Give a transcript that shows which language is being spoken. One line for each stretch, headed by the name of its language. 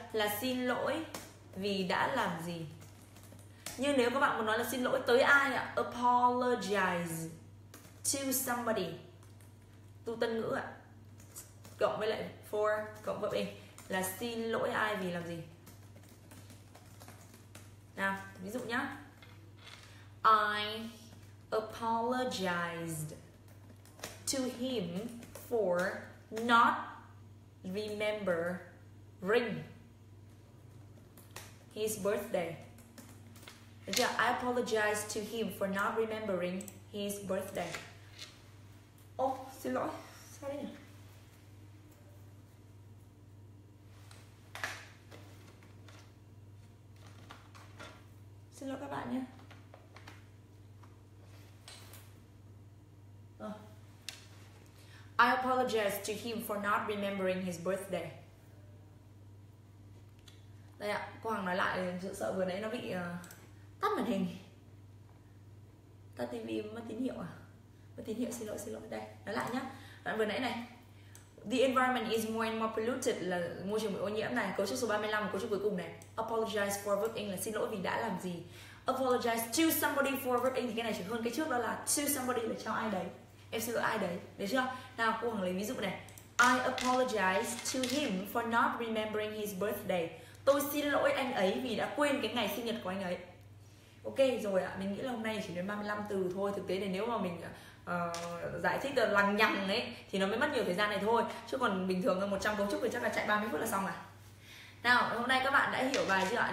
Vietnamese: Là xin lỗi vì đã làm gì. Nhưng nếu các bạn muốn nói là xin lỗi tới ai ạ?
English: Apologize to somebody.
Vietnamese: Tu tân ngữ ạ. Cộng với lại for cộng vấp in là xin lỗi ai vì làm gì. Nào, ví dụ nhá.
English: I apologized to him for not remembering his birthday. Yeah, I apologize to him for not remembering his birthday.
Vietnamese: Oh, xin lỗi. Sorry. Xin lỗi các bạn nhé. Oh.
English: I apologize to him for not remembering his birthday.
Vietnamese: Đây ạ, cô Hằng nói lại, sợ sợ vừa nãy nó bị tắt màn hình. Tắt TV mất tín hiệu à? Mất tín hiệu, xin lỗi, đây, nói lại nhá. Đoạn vừa nãy này.
English: The environment is more and more polluted,
Vietnamese: là môi trường bị ô nhiễm này. Cấu trúc số 35 và cấu trúc cuối cùng này.
English: Apologize for verb English,
Vietnamese: xin lỗi vì đã làm gì.
English: Apologize to somebody for verb English,
Vietnamese: thì cái này chỉ hơn cái trước đó là
English: to somebody
Vietnamese: là cho ai đấy. Em xin lỗi ai đấy, đấy chưa? Nào, cô Hằng lấy ví dụ này.
English: I apologize to him for not remembering his birthday.
Vietnamese: Tôi xin lỗi anh ấy vì đã quên cái ngày sinh nhật của anh ấy. Ok rồi ạ, mình nghĩ là hôm nay chỉ đến 35 từ thôi. Thực tế là nếu mà mình giải thích được lằng nhằng ấy thì nó mới mất nhiều thời gian này thôi. Chứ còn bình thường 100 cấu trúc thì chắc là chạy 30 phút là xong à. Nào, hôm nay các bạn đã hiểu bài chưa ạ?